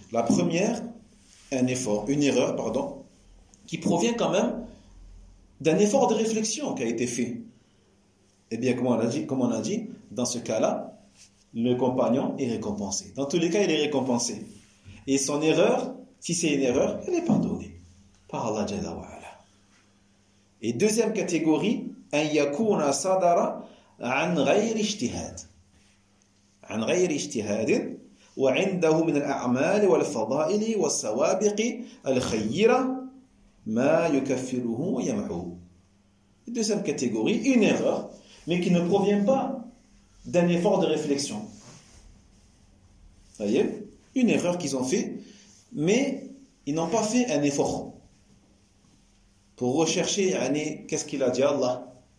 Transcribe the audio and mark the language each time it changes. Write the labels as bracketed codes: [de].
[fr] La première, une erreur, qui provient quand même d'un effort de réflexion qui a été fait. Eh bien, comme on a dit, dans ce cas-là, le compagnon est récompensé. Dans tous les cas, il est récompensé. Et son erreur, si c'est une erreur, elle est pardonnée par Allah Jalla wa Ala. Et deuxième catégorie, [ar] « un yakuna sadara » عن غير اجتهاد عن غير اجتهاد وعنده من الأعمال والفضائل والسوابق الخيرة ما يكفره ويمحو. [fr] Deuxième catégorie, une erreur mais qui ne provient pas d'un effort de réflexion. Voyez, une erreur qu'ils ont fait mais ils n'ont pas fait un effort pour rechercher, [ar] يعني, [fr] qu'est-ce qu'il a dit Allah.